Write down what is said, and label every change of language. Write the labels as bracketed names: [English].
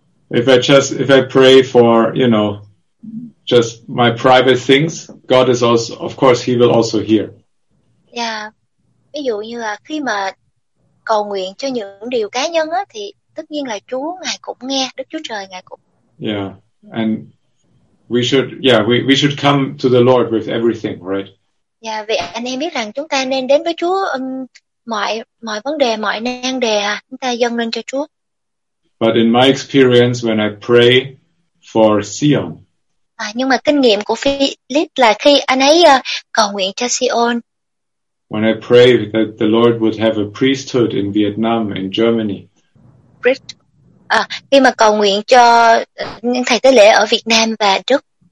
[English] If I pray for, you know, just my private things, God is also, of course, he will also hear. Yeah. [Vietnamese] Ví dụ như là khi mà cầu nguyện cho những điều cá nhân á, thì tất nhiên là Chúa Ngài cũng nghe, Đức Chúa Trời Ngài cũng. Yeah. [English] And we should come to the Lord with everything, right? [Vietnamese] Yeah, vì anh em biết rằng chúng ta nên đến với Chúa mọi vấn đề, mọi nan đề chúng ta dâng lên cho Chúa. [English] But in my experience, when I pray for Zion. [Vietnamese] Nhưng mà kinh nghiệm của Philip là khi anh ấy cầu nguyện cho Zion. [English] When I pray that the Lord would have a priesthood in Vietnam, in Germany. [Vietnamese] Khi mà cầu nguyện cho những thầy tế lễ ở Việt Nam và Đức.